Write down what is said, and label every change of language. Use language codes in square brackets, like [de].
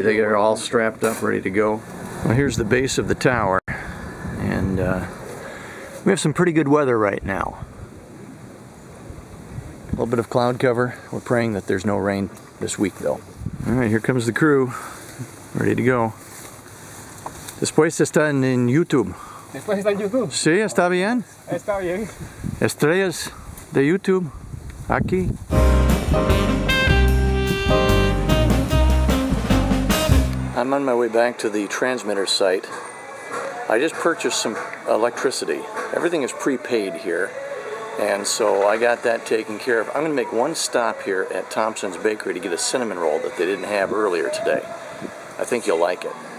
[en] They are all strapped up, ready to go. Well, here's the base of the tower, and we have some pretty good weather right now. A little bit of cloud cover. We're praying that there's no rain this week, though. All right, here comes the crew, ready to go. [es] Después está en YouTube. Después está en YouTube. Sí, está bien. Está bien. Estrellas de YouTube, aquí. [en] I'm on my way back to the transmitter site. I just purchased some electricity. Everything is prepaid here, and so I got that taken care of. I'm gonna make one stop here at Thompson's Bakery to get a cinnamon roll that they didn't have earlier today. I think you'll like it.